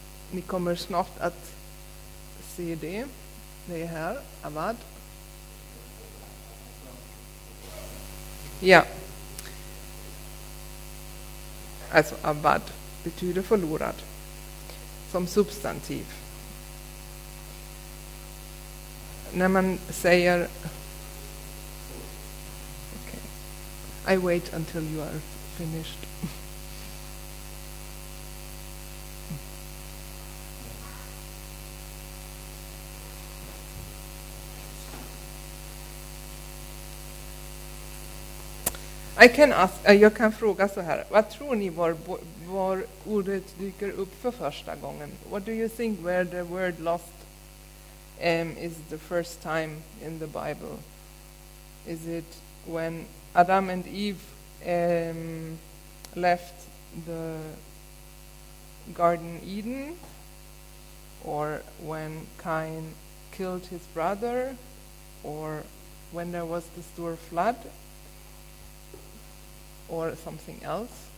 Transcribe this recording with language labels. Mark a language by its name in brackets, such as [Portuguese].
[Swedish] Ni kommer snart att se det. Det är här, avad. Ja. Alltså avad betyder förlorad som substantiv. När man säger [English] I wait until you are finished. I can ask, [Swedish] jag kan fråga så här. Vad tror ni var ordet dyker upp för första gången? [English] What do you think where the word lost is the first time in the Bible? Is it when Adam and Eve left the Garden Eden, or when Cain killed his brother, or when there was the Stor flood, or something else?